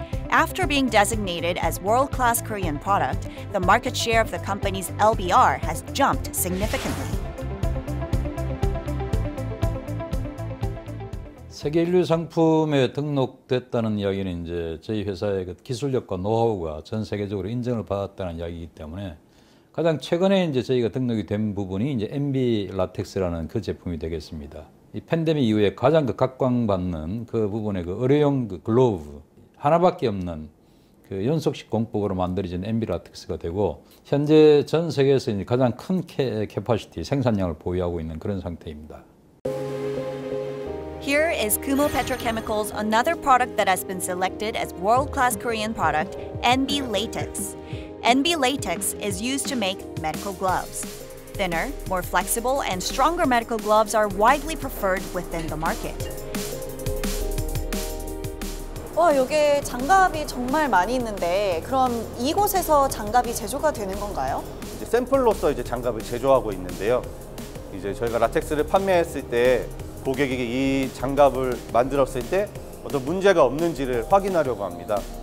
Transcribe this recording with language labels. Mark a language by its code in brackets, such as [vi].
[en] After being designated as world-class Korean product, the market share of the company's LBR has jumped significantly. [ko] 세계일류상품에 등록됐다는 이야기는 이제 저희 회사의 그 기술력과 노하우가 전 세계적으로 인정을 받았다는 이야기이기 때문에 가장 최근에 이제 저희가 등록이 된 부분이 이제 NB 라텍스라는 그 제품이 되겠습니다. 이 팬데믹 이후에 가장 그 각광받는 그 부분의 그 의료용 그 글로브 하나밖에 없는 그 연속식 공법으로 만들어진 NB 라텍스가 되고 현재 전 세계에서 이제 가장 큰 캐파시티 생산량을 보유하고 있는 그런 상태입니다. [en] Here is Kumho Petrochemical's another product that has been selected as world-class Korean product, NB Latex. NB Latex is used to make medical gloves. Thinner, more flexible, and stronger medical gloves are widely preferred within the market. [ko] 와, 여기 장갑이 정말 많이 있는데 그럼 이곳에서 장갑이 제조가 되는 건가요? 이제 샘플로서 이제 장갑을 제조하고 있는데요. 이제 저희가 라텍스를 판매했을 때 고객에게 이 장갑을 만들었을 때 어떤 문제가 없는지를 확인하려고 합니다.